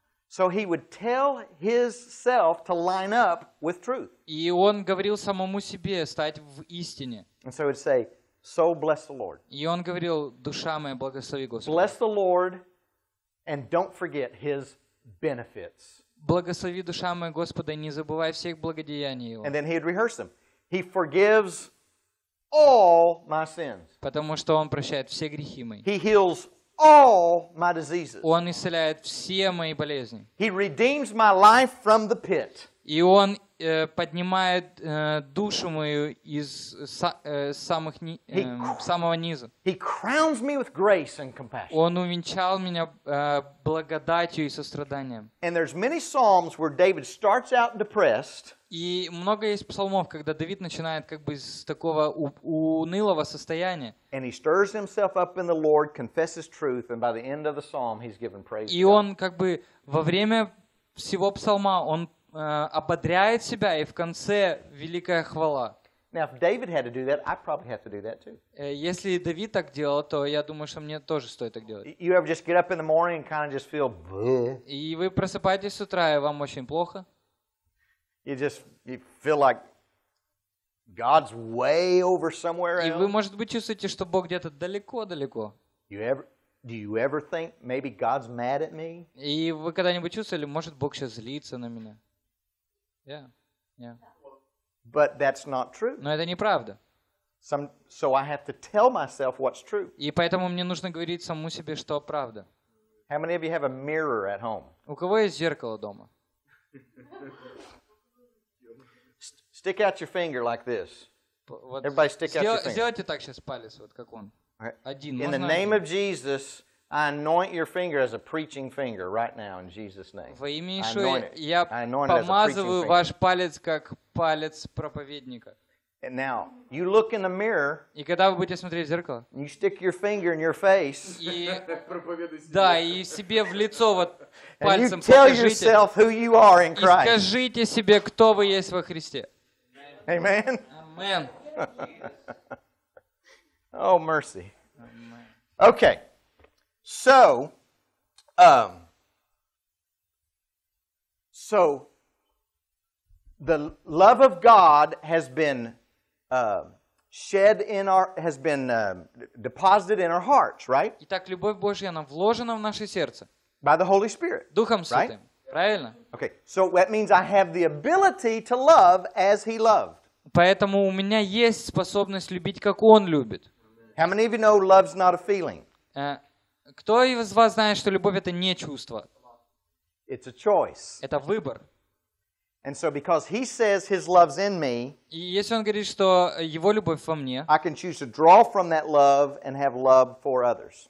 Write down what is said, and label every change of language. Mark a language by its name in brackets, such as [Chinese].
[English] So he would tell his self to line up with truth. [Russian] И он говорил самому себе стать в истине. [English] And so he'd say, "So bless the Lord." [Russian] И он говорил: душа моя, благослови Господа. [English] Bless the Lord, and don't forget His benefits. [Russian] Благослови, душа моя, Господа, и не забывай всех благодеяний Его. [English] And then he'd rehearse them. He forgives all my sins. [Russian] Потому что он прощает все грехи мои. [English] He heals all my diseases. [Russian] Он исцеляет все мои болезни. [English] He redeems my life from the pit. [Russian] И он поднимает душу мою из самого низа. [English] He crowns me with grace and compassion. [Russian] Он увенчал меня благодатью и состраданием. [English] And there's many psalms where David starts out depressed. [Russian] И много есть псалмов, когда Давид начинает как бы с такого унылого состояния. [English] And he stirs himself up in the Lord, confesses truth, and by the end of the psalm he's given praise. [Russian] И он как бы во время всего псалма он ободряет себя, и в конце великая хвала. [English] Now, if David had to do that, I'd probably have to do that too. [Russian] Если Давид так делал, то я думаю, что мне тоже стоит так делать. [English] You ever just get up in the morning and kind of just feel bleh? [Russian] И вы просыпаетесь с утра, и вам очень плохо? [English] You feel like God's way over somewhere else? [Russian] И вы, может быть, чувствуете, что Бог где-то далеко-далеко? [English] Do you ever think maybe God's mad at me? [Russian] И вы когда-нибудь чувствовали, может, Бог сейчас злится на меня? [English] Yeah. But that's not true. [Russian] Но это неправда. [English] So I have to tell myself what's true. [Russian] И поэтому мне нужно говорить самому себе, что правда. [English] How many of you have a mirror at home? [Russian] У кого есть зеркало дома? [English] Stick out your finger like this. Everybody stick out your finger. [Russian] Сделайте так сейчас палец, вот как он. [English] In the name of Jesus, I anoint your finger as a preaching finger right now in Jesus' name. [Russian] Во имя Иисуса я помазываю ваш палец как палец проповедника. [English] And now you look in the mirror. [Russian] И когда вы будете смотреть в зеркало. [English] You stick your finger in your face. [Russian] И да, и себе в лицо вот пальцем покажите. [English] And you tell yourself who you are in Christ. [Russian] И скажите себе, кто вы есть во Христе. [English] Amen. Amen. Oh, mercy. Okay. So, so the love of God has been shed in our, has been deposited in our hearts, right? [Russian] Итак, любовь Божья, она вложена в наше сердце. [English] By the Holy Spirit. [Russian] Духом Святым. [English] Right? [Russian] Правильно? [English] Okay. So that means I have the ability to love as He loved. [Russian] Поэтому у меня есть способность любить, как Он любит. [English] How many of you know love's not a feeling? [Russian] Кто из вас знает, что любовь это не чувство? [English] It's a choice. [Russian] Это выбор. [English] And so because he says his love's in me, [Russian] и если он говорит, что его любовь во мне, [English] I can choose to draw from that love and have love for others.